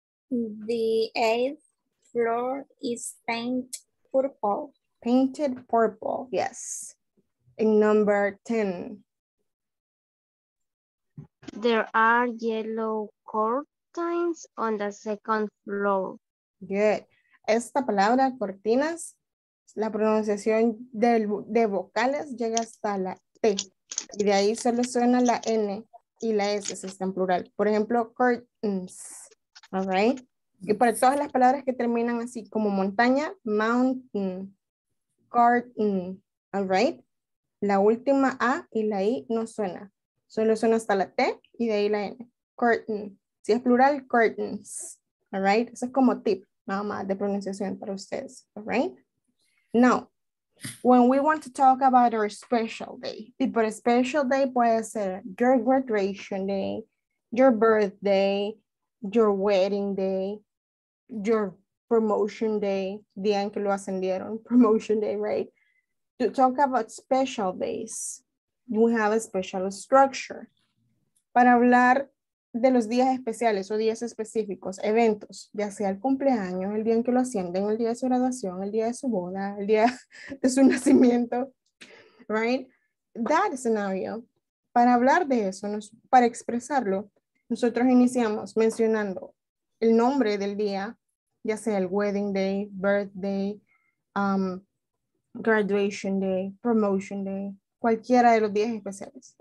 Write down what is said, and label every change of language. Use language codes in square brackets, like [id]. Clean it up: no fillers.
[en] The eighth floor is painted purple. Painted purple, yes. And number 10. There are yellow curtains on the second floor. Good. [es] Esta palabra, cortinas, la pronunciación de vocales llega hasta la T. Y de ahí solo suena la N y la S, si está en plural. Por ejemplo, curtains. [en] All right. [es] Y para todas las palabras que terminan así, como montaña, mountain, curtain. All right. La última A y la I no suena. Solo suena hasta la T y de ahí la N. Curtain. Si es plural, curtains. [en] All right. [es] Eso es como tip, nada más de pronunciación para ustedes. [en] All right. Now, when we want to talk about our special day, [es] y por [en] special day puede ser your graduation day, your birthday, your wedding day, your promotion day, [es] día en que lo ascendieron, [en] promotion day, right? To talk about special days, you have a special structure. [es] Para hablar de los días especiales o días específicos, eventos, ya sea el cumpleaños, el día en que lo ascienden, el día de su graduación, el día de su boda, el día de su nacimiento, right? [en] That scenario, [es] para hablar de eso, para expresarlo, nosotros iniciamos mencionando el nombre del día, ya sea el wedding day, birthday, graduation day, promotion day, cualquiera de los días especiales.